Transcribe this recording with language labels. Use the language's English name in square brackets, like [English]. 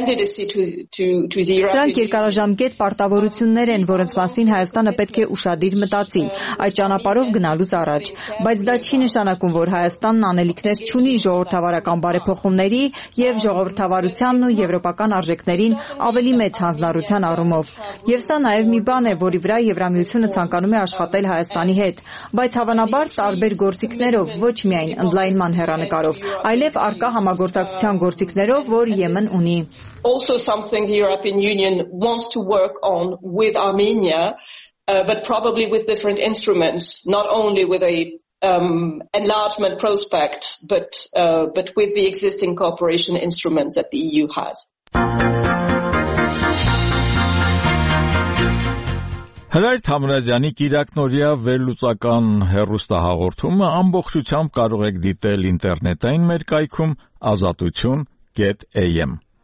[Armenian] Սրանք երկարաժամկետ պարտավորություններ են, որոնց մասին Հայաստանը պետք է ուշադիր մտածի այդ ճանապարհով գնալուց առաջ, բայց դա չի նշանակում, որ Հայաստանն անելիքներ չունի ժողովրդավարական բարեփոխումների եւ ժողովրդավարությանն ու եվրոպական արժեքներին ավելի մեծ հանձնարարության առումով։ Եվ սա նաեւ մի բան է, որի վրա Եվրամիությունը ցանկանում է աշխատել Հայաստանի հետ, բայց հավանաբար տարբեր գործիքներով, ոչ միայն ընդլայնման հեռանկարով, այլև արկա համագործակցության գործիքներով, որ Եմեն ունի. [English] Also something the European Union wants to work on with Armenia, but probably with different instruments, not only with a enlargement prospect, but with the existing cooperation instruments that the EU has. [Armenian] Հրայր Թամրազյանի կիրակնօրյա վերլուծական հեռուստահաղորդումը ամբողջությամբ կարող եք դիտել ինտերնետային մեր կայքում azatutyun.am.